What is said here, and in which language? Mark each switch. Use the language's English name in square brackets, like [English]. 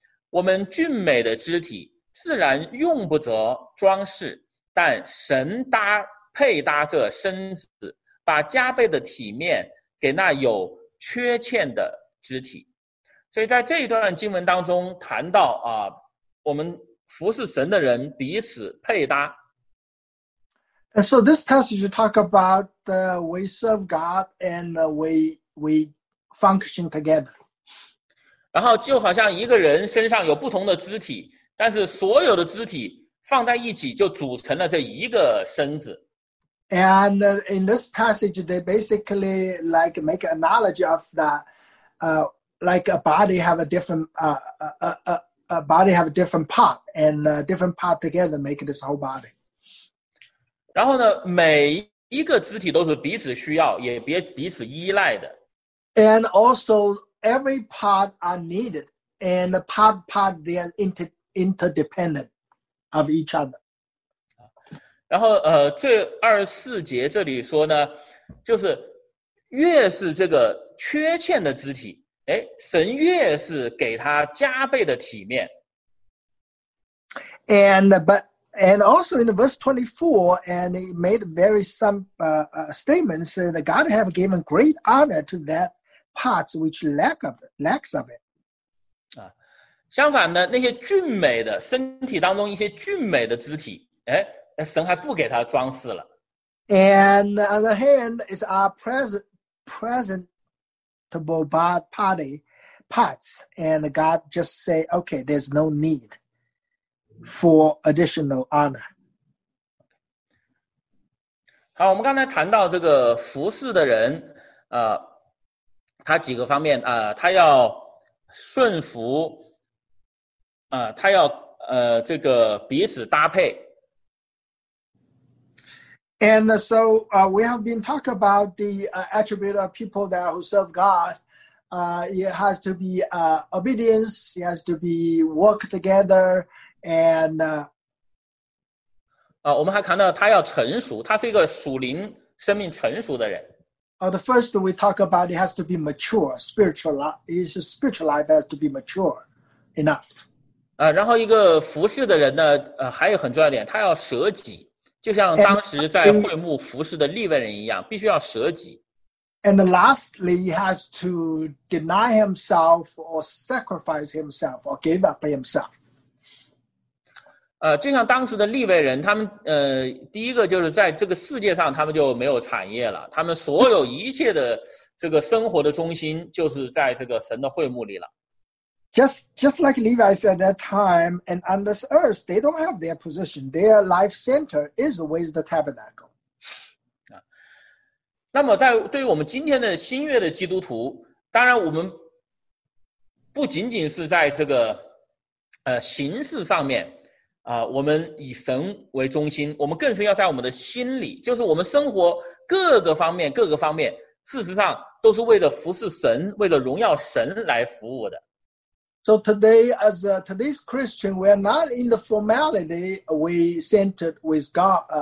[Chinese] 我们俊美的肢体自然用不着装饰，但神配搭这身子，把加倍的体面给那有缺欠的肢体。所以在这一段经文当中谈到我们服侍神的人彼此配搭。 [English] And so this passage talks about the we serve God and we function together. [Chinese] 然后就好像一个人身上有不同的肢体，但是所有的肢体放在一起就组成了这一个身子。 [English] And in this passage, they basically like make an analogy of that, like a body have a different, a body have a different part, and different part together make this whole body. [Chinese] 然后呢，每一个肢体都是彼此需要，也别彼此依赖的。 [English] And also, every part are needed, and the part they are interdependent of each other. [Chinese] 然后最二十四节这里说呢，就是越是这个缺欠的肢体，哎，神越是给他加倍的体面。 [English] And also in verse 24, and he made very some statements that God have given great honor to that parts which lacks of it. [Chinese] 相反的，那些俊美的身体当中一些俊美的肢体，哎。神还不给他装饰了。 [English] And on the hand is our presentable body parts, and God just say, okay, there's no need for additional honor. [Chinese] 好，我们刚才谈到这个服侍的人，他几个方面，他要顺服，他要这个彼此搭配。 [English] And so we have been talking about the attribute of people that who serve God. It has to be obedience. It has to be work together. And [Chinese] 我们还看到他要成熟，他是一个属灵生命成熟的人。 [English] The first we talk about it has to be mature. Spiritual life has to be mature enough. [Chinese] 然后一个服侍的人呢，还有很重要点，他要舍己。就像当时在会幕服侍的利未人一样，必须要舍己。 [English] And lastly, he has to deny himself or sacrifice himself or give up himself. [Chinese] 就像当时的利未人，他们第一个就是在这个世界上，他们就没有产业了，他们所有一切的这个生活的中心就是在这个神的会幕里了。 [English] Just like Levites at that time and on this earth, they don't have their position. Their life center is with the tabernacle. [Chinese] 那么在对于我们今天的新约的基督徒，当然我们不仅仅是在这个形式上面我们以神为中心，我们更是要在我们的心里，就是我们生活各个方面事实上都是为了服侍神，为了荣耀神来服务的。 [English] So today, as today's Christian, we are not in the formality we centered with God.